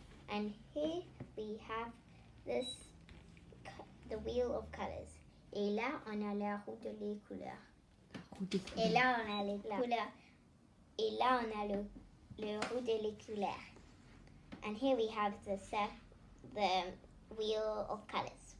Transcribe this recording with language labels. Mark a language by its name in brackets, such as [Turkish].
[English] And here we have this, the wheel of colors. [French] Et là, on a la roue de les couleurs. Et là, on a les couleurs. Et là, on a le roue de l'éculaire. [English] And here we have the wheel of colors.